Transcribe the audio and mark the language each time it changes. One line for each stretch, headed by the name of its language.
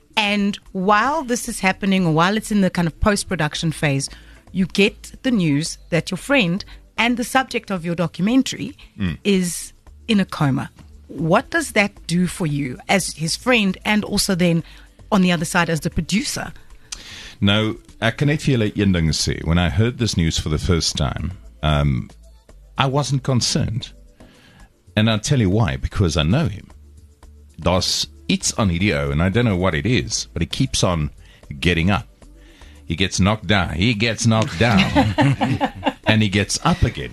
English: And while this is happening, or while it's in the kind of post-production phase, you get the news that your friend and the subject of your documentary is in a coma. What does that do for you as his friend and also then on the other side as the producer?
Afrikaans: Nou, ek kan net vir julle een ding sê.
English: When I heard this news for the first time, I wasn't concerned. And I'll tell you why, because I know him.
Afrikaans: Das iets aan hierdie ou,
English: and I don't know what it is, but he keeps on getting up. He gets knocked down. And he gets up again.